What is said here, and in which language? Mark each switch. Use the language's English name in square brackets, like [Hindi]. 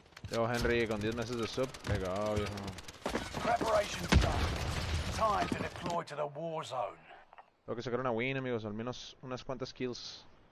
[Spanish] Yo, Henry, con 10 meses de sub, venga, viejo. [English] Preparation done. Time to deploy to the war zone. [Spanish] Tengo que sacar una win, amigos, al menos unas cuantas kills.